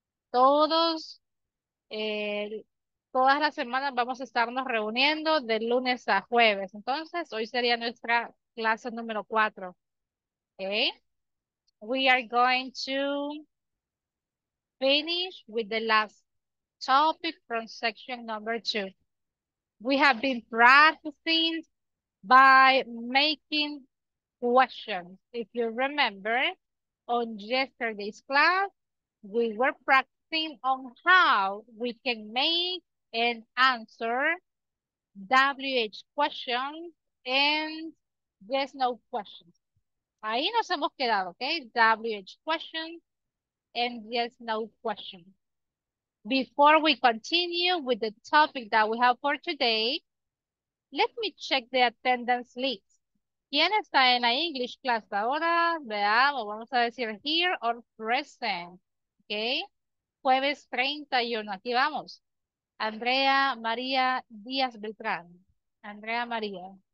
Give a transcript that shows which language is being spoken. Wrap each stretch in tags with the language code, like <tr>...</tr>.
<es>Todos, todas las semanas vamos a estarnos reuniendo de lunes a jueves. Entonces, hoy sería nuestra clase número 4.</es> <en>Okay, we are going to finish with the last topic from section number 2. We have been practicing by making questions. If you remember, on yesterday's class, we were practicing on how we can make and answer WH questions and yes, no questions.</en> <es>Ahí nos hemos quedado,</es> <en>¿ok? WH question and yes, no question. Before we continue with the topic that we have for today, let me check the attendance list.</en> <es>¿Quién está en la English class ahora? Veamos, vamos a decir</es> <en>here or present,</en> <es>¿ok? Jueves 31, aquí vamos. Andrea María Díaz Beltrán. Andrea María.</es>